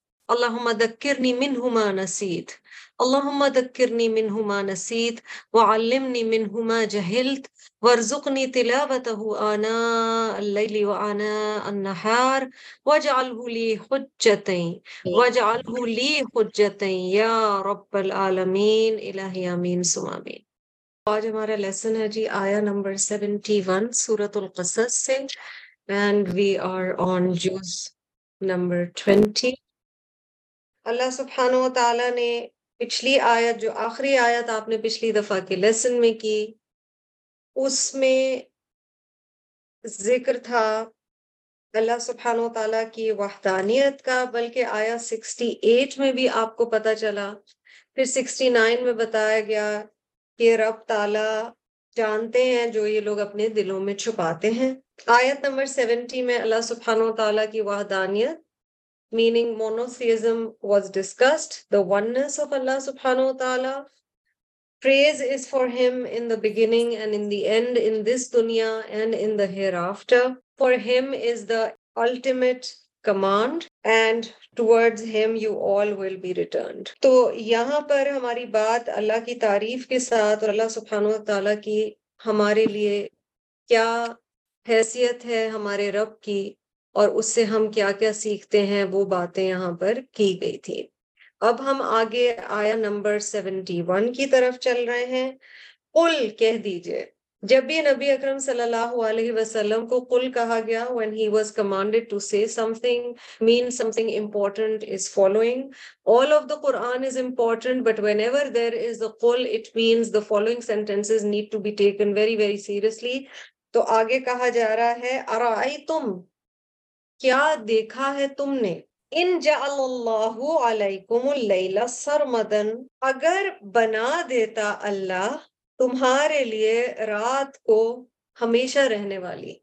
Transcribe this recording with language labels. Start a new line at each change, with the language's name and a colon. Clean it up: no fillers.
Arabic: اللهم ذكرني منه ما نسيت. اللهم ذكرني منه ما نسيت وعلمني منه ما جهلت وارزقني تلاوته آناء الليل وآناء النهار واجعله لي حجتين واجعله لي حجتين يا رب العالمين. إلهي آمين ثم آمين.
Urdu: آج ہمارا لیسن ہے جی آیا نمبر 71 سورۃ القصص سے
English: And we are on جوز number 20.
Urdu: اللہ سبحانہ و تعالیٰ نے پچھلی آیت جو آخری آیت آپ نے پچھلی دفعہ کے لیسن میں کی اس میں ذکر تھا اللہ سبحانہ و تعالیٰ کی وحدانیت کا, بلکہ آیا 68 میں بھی آپ کو پتہ چلا, پھر 69 میں بتایا گیا کہ رب تعالیٰ جانتے ہیں جو یہ لوگ اپنے دلوں میں چھپاتے ہیں. آیت نمبر 70 میں اللہ سبحانہ و تعالیٰ کی وحدانیت
English: meaning monotheism was discussed, the oneness of
Urdu: اللہ سبحانہ و تعالیٰ.
English: Praise is for him in the beginning and in the end in this دنیا and in the hereafter. For him is the ultimate command and towards him you all will be returned.
Urdu: تو یہاں پر ہماری بات اللہ کی تعریف کے ساتھ اور اللہ سبحانہ و تعالیٰ کی ہمارے لیے کیا حیثیت ہے ہمارے رب کی اور اس سے ہم کیا کیا سیکھتے ہیں, وہ باتیں یہاں پر کی گئی تھی. اب ہم آگے آیا نمبر 71 کی طرف چل رہے ہیں. قل کہہ دیجئے, جب بھی نبی اکرم صلی اللہ علیہ وسلم کو قل کہا گیا,
English: when he was commanded to say something means something important is following. All of the Quran is important, but whenever there is a قل it means the following sentences need to be taken very very seriously.
Urdu: تو آگے کہا جا رہا ہے ارائیتم, کیا دیکھا ہے تم نے,
Arabic: ان جعل اللہ علیکم اللیل سرمدا,
Urdu: اگر بنا دیتا اللہ تمہارے لیے رات کو ہمیشہ رہنے والی.